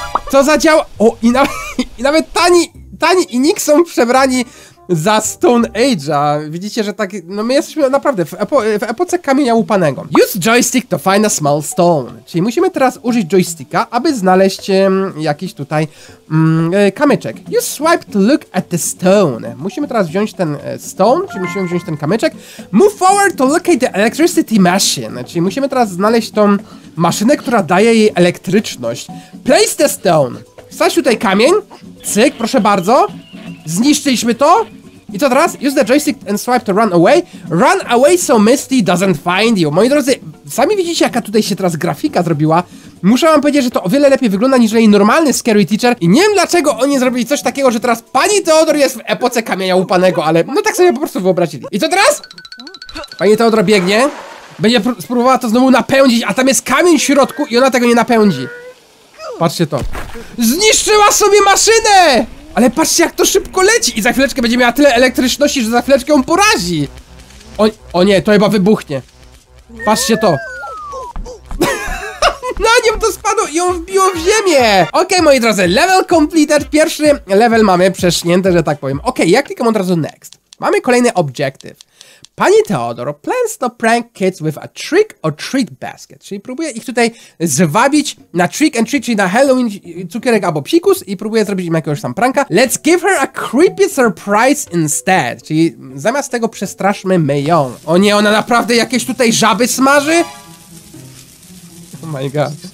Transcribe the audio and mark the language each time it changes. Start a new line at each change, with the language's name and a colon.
Polish: Co za działa? O, i nawet Tani i Nick są przebrani za Stone Age'a. Widzicie, że tak, no my jesteśmy naprawdę w epoce kamienia łupanego.
English: Use joystick to find a small stone.
Polish: Czyli musimy teraz użyć joysticka, aby znaleźć jakiś tutaj kamyczek.
English: Use swipe to look at the stone.
Polish: Musimy teraz wziąć ten stone, czyli musimy wziąć ten kamyczek.
English: Move forward to locate the electricity machine.
Polish: Czyli musimy teraz znaleźć tą maszynę, która daje jej elektryczność.
English: Place the stone.
Polish: Wstać tutaj kamień. Cyk, proszę bardzo. Zniszczyliśmy to. I co teraz?
English: Use the joystick and swipe to run away. Run away so Misty doesn't find you.
Polish: Moi drodzy, sami widzicie, jaka tutaj się teraz grafika zrobiła. Muszę wam powiedzieć, że to o wiele lepiej wygląda niż jej normalny Scary Teacher. I nie wiem, dlaczego oni zrobili coś takiego, że teraz pani Teodor jest w epoce kamienia łupanego, ale no tak sobie po prostu wyobrazili. I co teraz? Pani Teodor biegnie. Będzie spróbowała to znowu napędzić, a tam jest kamień w środku i ona tego nie napędzi. Patrzcie to. Zniszczyła sobie maszynę! Ale patrzcie, jak to szybko leci i za chwileczkę będzie miała tyle elektryczności, że za chwileczkę ją porazi. O nie, to chyba wybuchnie. Patrzcie to. Na nią to spadło i ją wbiło w ziemię. Okej, moi drodzy, level completed. Pierwszy level mamy przeszknięty, że tak powiem. Okej, ja klikam od razu next. Mamy kolejny
English: objective. Pani Teodor plans to prank kids with a trick or treat basket.
Polish: Czyli próbuje ich tutaj zwabić na trick and treat, czyli na Halloween cukierek albo psikus i próbuje zrobić im jakiegoś tam pranka.
English: Let's give her a creepy surprise instead.
Polish: Czyli zamiast tego przestraszmy my ją. O nie, ona naprawdę jakieś tutaj żaby smaży?
English: Oh my god.